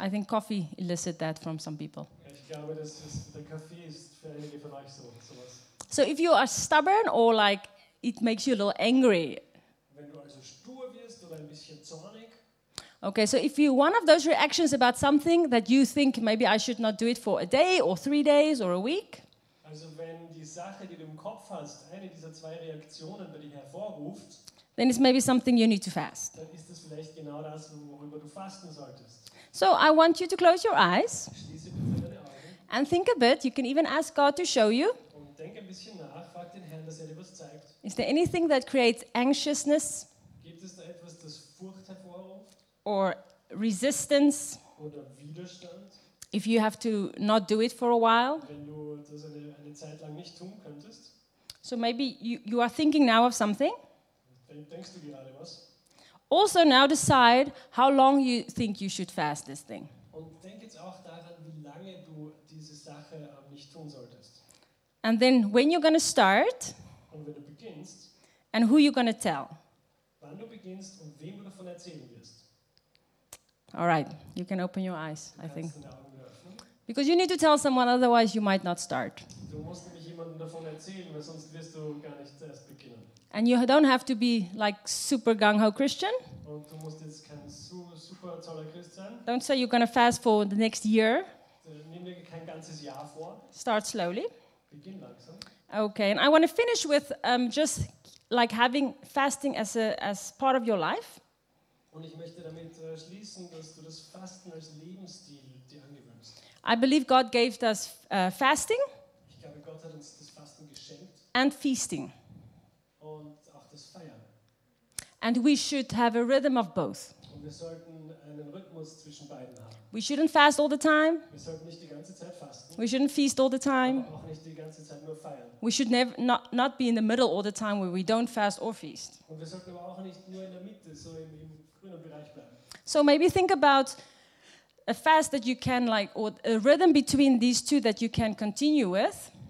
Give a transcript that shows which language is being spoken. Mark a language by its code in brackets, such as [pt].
[en] I think coffee elicits that from some people. [de] Ich glaube, der Kaffee ist für einige von euch sowas. [en] So if you are stubborn or like, it makes you a little angry. [de] Wenn du also stur wirst oder ein bisschen zornig. [en] Okay, so if you one of those reactions about something that you think maybe I should not do it for a day or 3 days or a week. [de] Also wenn die Sache, die du im Kopf hast, eine dieser zwei Reaktionen bei dir hervorruft, [en] then it's maybe something you need to fast. [de] Dann ist das vielleicht genau das, worüber du fasten solltest. [en] So I want you to close your eyes. [de] Schließe bitte deine Augen. [en] And think a bit. You can even ask God to show you. [de] Und denk ein bisschen nach, frag den Herrn, dass dir was zeigt. [en] Is there anything that creates anxiousness? [de] Gibt es da etwas, das Furcht hervorruft? [en] Or resistance, [de] oder Widerstand, [en] if you have to not do it for a while. [de] Wenn du das eine Zeit lang nicht tun könntest. [en] So maybe you are thinking now of something. [de] Denkst du gerade was? [en] Also now decide how long you think you should fast this thing. [de] Und denk jetzt auch daran, wie lange du diese Sache nicht tun solltest. [en] And then when you're going to start, [de] und wenn du beginnst, [en] and who you're going to tell. [de] Wann du beginnst und wem du davon erzählen wirst. [en] All right, you can open your eyes, I think. Because you need to tell someone, otherwise you might not start. [de] Du musst nämlich jemandem davon erzählen, weil sonst wirst du gar nicht erst beginnen. [en] And you don't have to be like super gung-ho Christian. [de] Und du musst jetzt kein super toller Christ sein. [en] Don't say you're going to fast for the next year. [de] Nimm dir kein ganzes Jahr vor. [en] Start slowly. [de] Begin langsam. [en] Okay, and I want to finish with just like having fasting as a as part of your life. [de] Und ich möchte damit schließen, dass du das Fasten als Lebensstil dir angewöhnst. [en] I believe God gave us fasting. [de] Ich glaube, Gott hat uns das Fasten geschenkt. [en] And feasting. [de] Und auch das Feiern. [en] And we should have a rhythm of both. [de] Und wir sollten einen Rhythmus zwischen beiden haben. [en] We shouldn't fast all the time. [de] Wir sollten nicht die ganze Zeit fasten. [en] We shouldn't feast all the time. [de] Aber auch nicht die ganze Zeit nur feiern. [en] We should never not be in the middle all the time where we don't fast or feast. [de] Und wir sollten aber auch nicht nur in der Mitte, so im grünen Bereich bleiben. [en] So maybe think about a fast that you can like, or a rhythm between these two that you can continue with.